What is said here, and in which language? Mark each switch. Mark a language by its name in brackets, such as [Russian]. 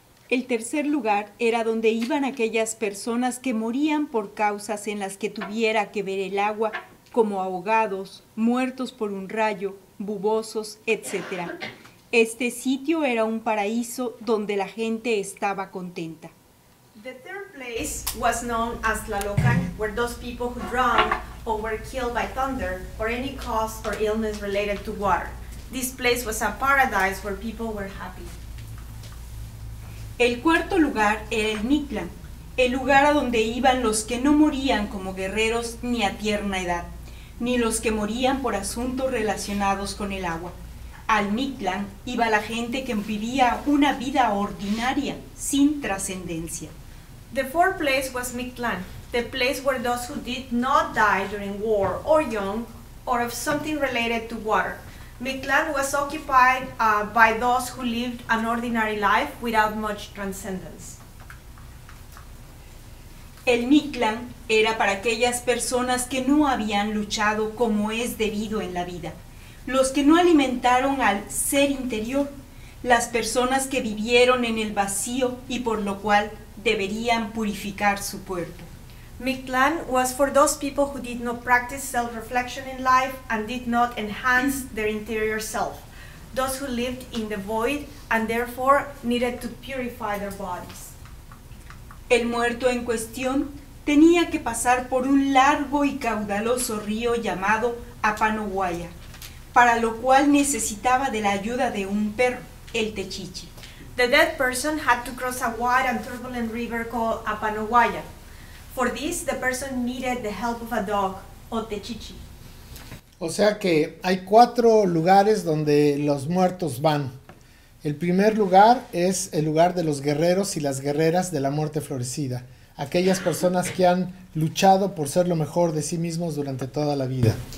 [Spanish] El tercer lugar era donde iban aquellas personas que morían por causas en las que tuviera que ver el agua, como ahogados, muertos por un rayo, bubosos, etc. Este sitio era un paraíso donde la gente estaba contenta. [English] The third place was known as Tlalocan, where those people who drowned or were killed by thunder or any cause or illness related to water. This place was a paradise where people were happy. [Spanish] El cuarto lugar era el Mictlán, el lugar a donde iban los que no morían como guerreros ni a tierna edad, ni los que morían por asuntos relacionados con el agua. Al Mictlán iba la gente que vivía una vida ordinaria, sin trascendencia. [English] The fourth place was Mictlán, the place where those who did not die during war or young or of something related to water. Mictlán was occupied by those who lived an ordinary life without much transcendence. [Spanish] El Mictlán era para aquellas personas que no habían luchado como es debido en la vida, los que no alimentaron al ser interior, las personas que vivieron en el vacío y por lo cual deberían purificar su cuerpo. [English] Mictlán was for those people who did not practice self-reflection in life and did not enhance their interior self, those who lived in the void and therefore needed to purify their bodies. [Spanish] El muerto en cuestión tenía que pasar por un largo y caudaloso río llamado Apanoguaya, para lo cual necesitaba de la ayuda de un perro, el Techichi. [English] The dead person had to cross a wide and turbulent river called Apanoguaya. For this, the person needed the help of a dog, o Techichi. [Spanish] O sea que hay cuatro lugares donde los muertos van. El primer lugar es el lugar de los guerreros y las guerreras de la muerte florecida, aquellas personas que han luchado por ser lo mejor de sí mismos durante toda la vida.